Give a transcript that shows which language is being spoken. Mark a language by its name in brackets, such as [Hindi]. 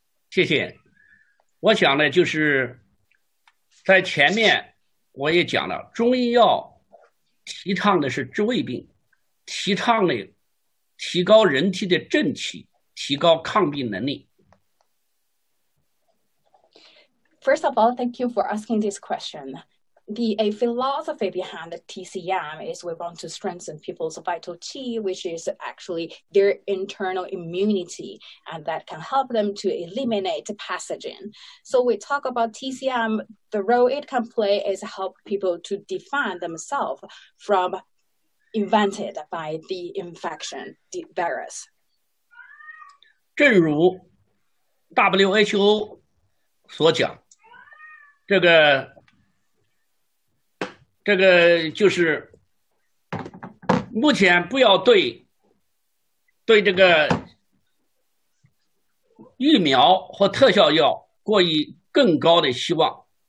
[Chinese] 谢谢，我想呢，就是在前面我也讲了，中医药提倡的是治胃病，提倡的提高人体的正气，提高抗病能力。 [English] First of all, thank you for asking this question. A philosophy behind the TCM is we want to strengthen people's vital qi, which is actually their internal immunity, and that can help them to eliminate pathogen. So we talk about TCM, the role it can play is help people to defend themselves from invented by the infection, the virus. [Chinese] 正如 WHO 所讲，这个就是目前不要对这个疫苗或特效药过于更高的希望。